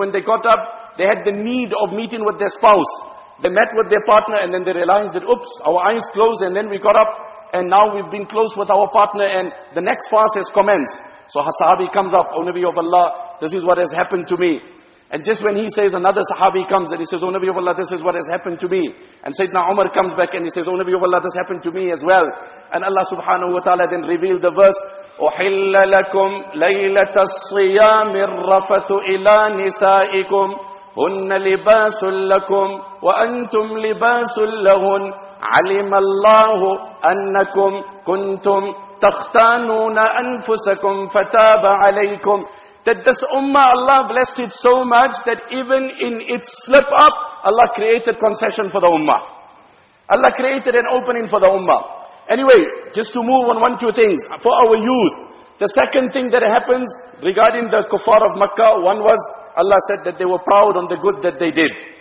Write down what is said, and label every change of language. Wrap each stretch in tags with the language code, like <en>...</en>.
<en>When they got up, they had the need of meeting with their spouse. They met with their partner and then they realized that, oops, our eyes closed and then we got up, and now we've been close with our partner and the next fast has commenced. So a sahabi comes up, O Nabi of Allah, this is what has happened to me. And just when he says, another sahabi comes and he says, O Nabi of Allah, this is what has happened to me. And Sayyidina Umar comes back and he says, O Nabi of Allah, this happened to me as well. And Allah subhanahu wa ta'ala then revealed the verse,</en> <ar>أُحِلَّ لَكُمْ لَيْلَةَ الصِّيَامِ الرَّفَثُ إِلَىٰ نِسَائِكُمْ هُنَّ لِبَاسٌ لَكُمْ وَأَنْتُمْ لِبَاسٌ لَهُنْ عَلِمَ اللَّهُ أَنَّكُمْ كُنْتُمْ تَخْتَانُونَ أَنفُسَكُمْ فَتَابَ عَلَيْكُمْ.</ar> <en>That this ummah, Allah blessed it so much that even in its slip up, Allah created concession for the ummah. Allah created an opening for the ummah. Anyway, just to move on one, two things. For our youth, the second thing that happens regarding the kuffar of Makkah, one was Allah said that they were proud on the good that they did.</en>